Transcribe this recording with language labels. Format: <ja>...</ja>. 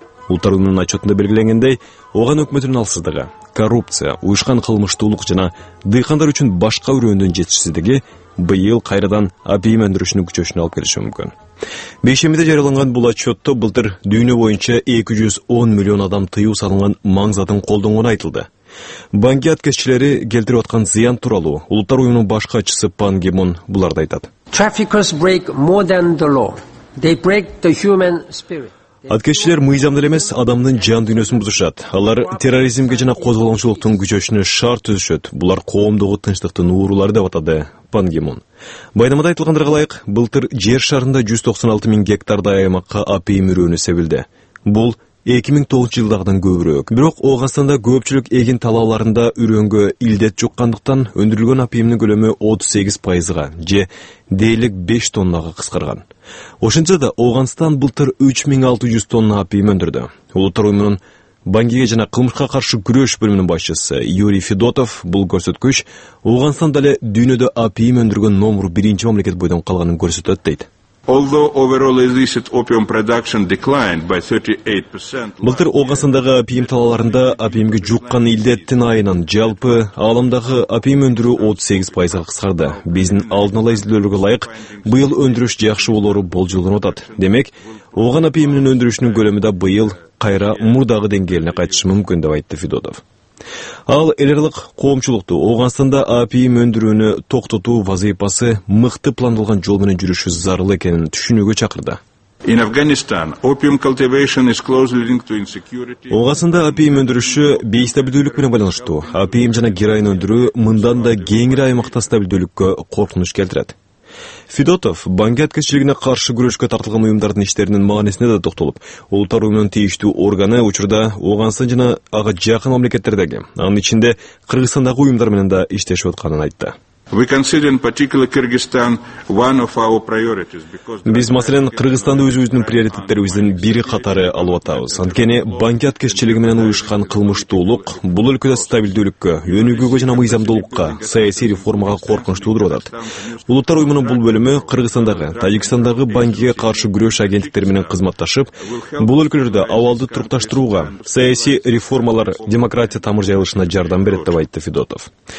<ky>Улуттар Уюмунун отчетунда белгиленгендей, ооган өкмөтүнүн алсыздыгы, коррупция, уюшкан кылмыштуулук жана дыйкандар үчүн башка үрөөндүн жетишсиздиги быйыл кайрадан АПИМ өндүрүшүнүн күчөшүнө алып келиши мүмкүн. Бейшемиде жарылынган бул отчетто былтыр дүйнө боюнча 210 миллион адам тыюу салынган маңзатын колдонгону айтылды. Банки аткезчилери келтирип аткан зыян тууралуу Улуттар уюмунун баш катчысы Пан Ги Мун буларды айтат.</ky> <en>Traffickers break more than the law. They break the human spirit.</en> <ky>Аткезчилер мыйзамды эле эмес, адамдын жан дүйнөсүн бузушат. Алар терроризмге жана козголоңчулуктун күчөшүнө шарт түзүшөт. Булар коомдогу тынчтыктын уурулары деп атады Пан Ги Мун. Байнамада айтылгандарга ылайык, былтыр жер шарында 196 миң гектардай аймакка апийим үрөөнү себилди. Бул 2009 жылдагыдан көбүрөөк. Бирок Ооганстанда көпчүлүк эгин талааларында үрөөнгө илдет жуккандыктан өндүрүлгөн апийимдин көлөмү 38%га же дээрлик 5 тоннага кыскарган. Ошентсе да Ооганстан былтыр 3600 тонна апийим өндүрдү. Улуттар уюмунун Бангиге жана кылмышка каршы күрөш бөлүмүнүн башчысы Юрий Федотов бул көрсөткүч Ооганстан деле дүйнөдө апийим өндүргөн номур биринчи мамлекет бойдон калганын көрсөтөт дейт.</ky> <en>Although overall illicit opium production declined by 38%.</en> <ky>Былтыр Ооганстандагы апийим талааларында апийимге жуккан илдеттин айынан жалпы ааламдагы апийим өндүрүү 38%га кыскарды. Биздин алдын ала изилдөөлөргө ылайык, быйыл өндүрүш жакшы болору болжолдонуп атат. Демек, ооган апийиминин өндүрүшүнүн көлөмү да быйыл кайра мурдагы деңгээлине кайтышы мүмкүн деп айтты Федотов. Ал эл аралык коомчулукту Ооганстанда апийим өндүрүүнү токтотуу вазыйпасы мыкты пландалган жол менен жүрүшү зарыл экенин түшүнүүгө чакырды.</ky> <en>In Afghanistan, opium cultivation is closely linked to insecurity.</en> <ky>Ооганстанда апийим өндүрүшү бейстабилдүүлүк менен байланыштуу. Апийим жана героин өндүрүү мындан да кеңири аймакта стабилдүүлүккө коркунуч келтирет. Федотов банк аткезчилигине каршы күрөшкө тартылган уюмдардын иштеринин маанисине да токтолуп, Улуттар уюмунун тийиштүү органы учурда Ооганстан жана ага жакын мамлекеттердеги, анын ичинде Кыргызстандагы уюмдар менен да иштешип атканын айтты.</ky> <en>We consider in particular Kyrgyzstan one of our priorities because</en> <ky>биз маселен Кыргызстанды өзүбүздүн приоритеттерибиздин бири катары алып атабыз. Анткени банки аткезчилиги менен уюшкан кылмыштуулук бул өлкөдө стабилдүүлүккө, өнүгүүгө жана мыйзамдуулукка, саясий реформага коркунуч туудуруп атат. Улуттар уюмунун бул бөлүмү Кыргызстандагы, Тажикстандагы банкиге каршы күрөш агенттиктери менен кызматташып, бул өлкөлөрдө абалды турукташтырууга, саясий реформалар демократия тамыр жайылышына жардам берет деп айтты Федотов.</ky>